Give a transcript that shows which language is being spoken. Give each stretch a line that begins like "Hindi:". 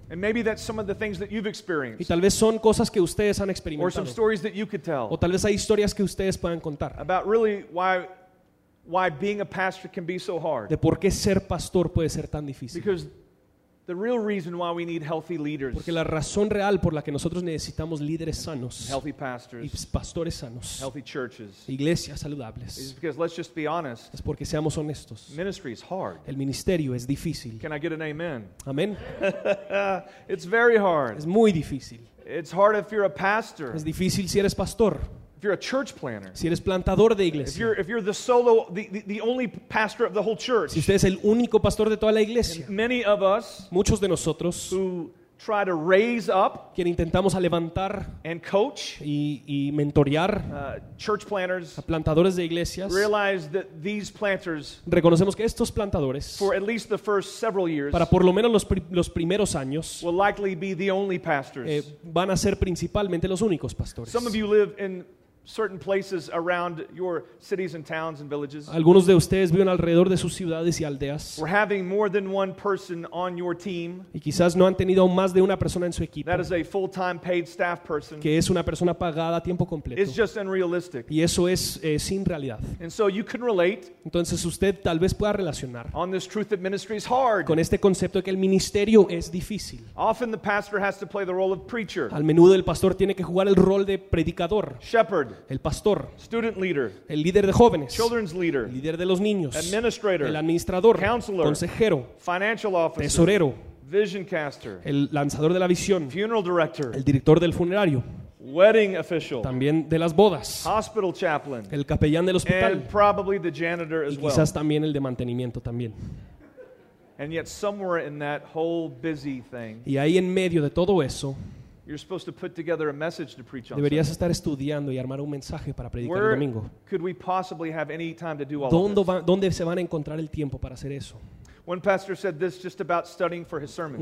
English: And maybe that's some of the things that you've experienced.
Spanish: Y tal vez son cosas que ustedes han experimentado.
English: Or some stories that you could tell.
Spanish: O tal vez hay historias que ustedes puedan contar.
English: About really why being a pastor can be so hard.
Spanish: De por qué ser pastor puede ser tan difícil.
English: Because the real reason why we need healthy leaders.
Spanish: Porque la razón real por la que nosotros necesitamos líderes sanos.
English: Healthy pastors.
Spanish: Y pastores sanos.
English: Healthy churches.
Spanish: Iglesias saludables.
English: Is because let's just be honest.
Spanish: Es porque seamos honestos.
English: Ministry is hard.
Spanish: El ministerio es difícil.
English: Can I get an amen?
Spanish: Amén.
English: It's very hard.
Spanish: Es muy difícil.
English: It's hard if you're a pastor.
Spanish: Es difícil si eres pastor.
English: If you're a church planner,
Spanish: si eres plantador de iglesia,
English: if you're the solo, the only pastor of the whole church,
Spanish: si usted es el único pastor de toda la iglesia,
English: many of us,
Spanish: muchos de nosotros,
English: who try to raise up,
Spanish: quien intentamos a levantar,
English: and coach,
Spanish: y mentorear,
English: church planners,
Spanish: a plantadores de iglesias,
English: realize that these planters,
Spanish: reconocemos que estos plantadores,
English: for at least the first several years,
Spanish: para por lo menos los primeros años,
English: will likely be the only pastors,
Spanish: van a ser principalmente los únicos pastores.
English: Some of you live in certain places around your cities and towns and villages.
Spanish: Algunos de ustedes viven alrededor de sus ciudades y aldeas.
English: We're having more than one person on your team.
Spanish: Y quizás no han tenido más de una persona en su equipo.
English: That is a full-time paid staff person.
Spanish: Que es una persona pagada a tiempo completo.
English: It's just unrealistic.
Spanish: Y eso es sin realidad.
English: And so you can relate.
Spanish: Entonces usted tal vez pueda relacionar.
English: On this truth that ministry is hard.
Spanish: Con este concepto de que el ministerio es difícil.
English: Often the pastor has to play the role of preacher.
Spanish: Al menudo el pastor tiene que jugar el rol de predicador.
English: Shepherd.
Spanish: El pastor,
English: student leader,
Spanish: el líder de jóvenes,
English: children's leader,
Spanish: el líder de los niños,
English: administrator,
Spanish: el administrador,
English: counselor,
Spanish: consejero,
English: financial officer,
Spanish: tesorero,
English: vision caster,
Spanish: el lanzador de la visión,
English: funeral director,
Spanish: el director del funerario,
English: wedding official,
Spanish: también de las bodas,
English: hospital chaplain,
Spanish: el capellán del hospital,
English: and probably the janitor as
Spanish: y quizás
English: well.
Spanish: También el de mantenimiento también.
English: And yet somewhere in that whole busy thing,
Spanish: y ahí en medio de todo eso,
English: you're supposed to put together a message to preach on.
Spanish: Deberías estar estudiando y armar un mensaje para predicar el domingo.
English: Where could we possibly have any time to do all of this?
Spanish: ¿Dónde se van a encontrar el tiempo para hacer eso?
English: One pastor said this just about studying for his sermons.